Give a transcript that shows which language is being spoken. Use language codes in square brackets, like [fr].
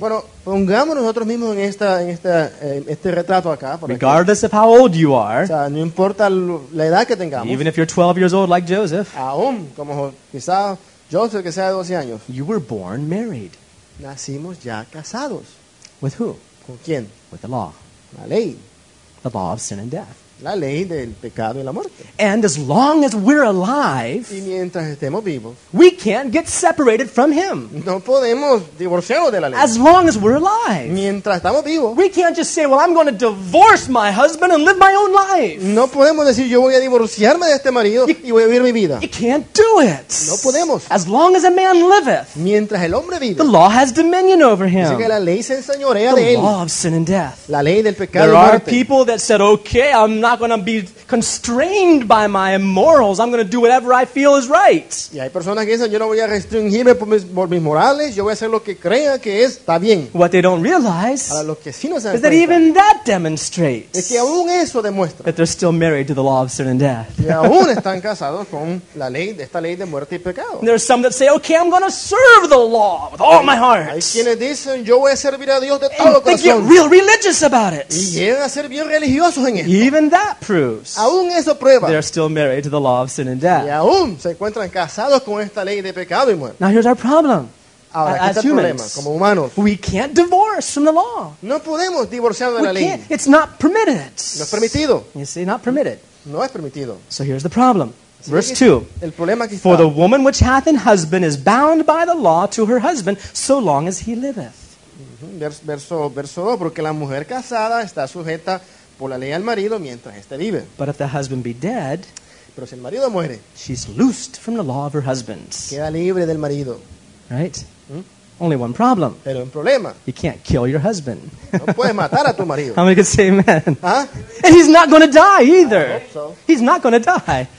[es] Bueno, pongamos nosotros mismos en este retrato acá. [en] Regardless of how old you are, [es] o sea, no importa la edad que tengamos, [en] even if you're 12 years old like Joseph, [es] aún como quizá Joseph que sea de 12 años, [en] you were born married. [es] Nacimos ya casados. [en] With who? [es] ¿Con quién? [en] With the law. [es] La ley. [en] The law of sin and death. [es] La ley del pecado y la muerte. [en] And as long as we're alive, [es] y mientras estemos vivos, [en] we can't get separated from him. [es] No podemos divorciarnos de la ley. [en] As long as we're alive, [es] mientras estamos vivos, [en] we can't just say, well, I'm going to divorce my husband and live my own life. [es] No podemos decir, yo voy a divorciarme de este marido y voy a vivir mi vida. [en] You can't do it. [es] No podemos. [en] As long as a man liveth, [es] mientras el hombre vive, [en] the law has dominion over him. [es] Así que la ley se enseñorea de él. [en] The law of sin and death. [es] La ley del pecado [en] there [es] y la muerte. [en] Are people that said, okay, I'm not going to be constrained by my morals. I'm going to do whatever I feel is right. [es] Y hay personas que dicen, yo no voy a restringirme por mis morales. Yo voy a hacer lo que crea que está bien. [en] What they don't realize [es] para los que sí no se [en] is that even that demonstrates [es] es que aún eso demuestra [en] that they're still married to the law of sin and death. [es] Y aún están casados con la ley, esta ley de muerte y pecado. [en] There are some that say, okay, I'm going to serve the law with all my heart. [es] Hay quienes dicen, yo voy a servir a Dios de todo corazón. [en] And they get real religious about it. [es] Y llegan a ser bien religiosos en esto. [en] Even that proves [es] aún eso prueba [en] they're still married to the law of sin and death. [es] Y aún se encuentran casados con esta ley de pecado y muerte. [en] Now here's our problem. [es] Ahora, [en] as [es] aquí está [en] humans, [es] el problema, como humanos, [en] we can't divorce from the law. [es] No podemos divorciar de [en] we [es] la ley. [en] It's not permitted. [es] No es permitido. [en] You see, not permitted. [es] No es permitido. [en] So here's the problem. Verse 2. [es] El problema aquí está. [en] For the woman which hath an husband is bound by the law to her husband so long as he liveth. [es] Verso 2. Porque la mujer casada está sujeta por la ley al marido mientras este vive. [en] But if the husband be dead, [es] pero si el marido muere, [en] she's loosed from the law of her husband. [es] Queda libre del marido. [en] Right? Only one problem. [es] Pero un problema. [en] You can't kill your husband. [es] No puedes matar a tu marido. [en] How many can say amen? ¿Ah? And he's not going to die either. I hope so. He's not going to die.